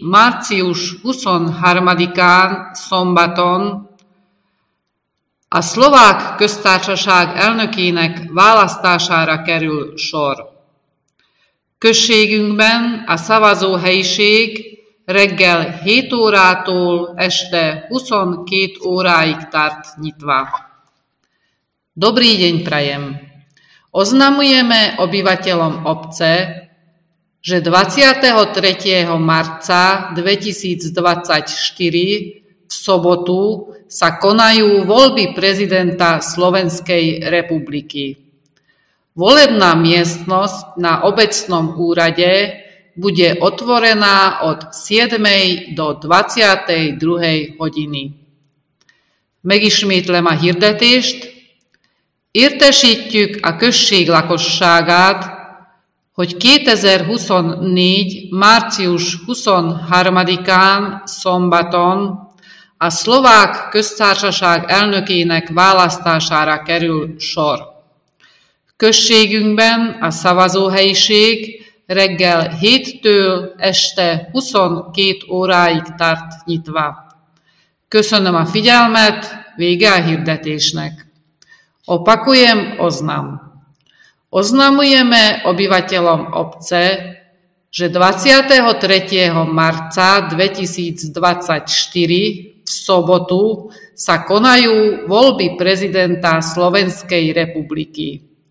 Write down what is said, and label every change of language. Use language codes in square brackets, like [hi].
[hu] március 23-án szombaton a Szlovák Köztársaság elnökének választására kerül sor. Községünkben a szavazóhelyiség reggel 7 órától este 22 óráig tart nyitva. [sk] Dobrý deň prajem. Oznamujeme obyvateľom obce, že 23. marca 2024 v sobotu sa konajú voľby prezidenta Slovenskej republiky. Volebná miestnosť na obecnom úrade bude otvorená od 7. do 22. hodiny. [hu] Megismétlem a hirdetést. Értesítjük a község lakosságát, hogy 2024. március 23-án szombaton a Szlovák Köztársaság elnökének választására kerül sor. Községünkben a szavazóhelyiség reggel 7-től este 22 óráig tart nyitva. Köszönöm a figyelmet, vége a hirdetésnek! [sk] Opakujem oznam. Oznamujeme obyvateľom obce, že 23. marca 2024 v sobotu sa konajú voľby prezidenta Slovenskej republiky.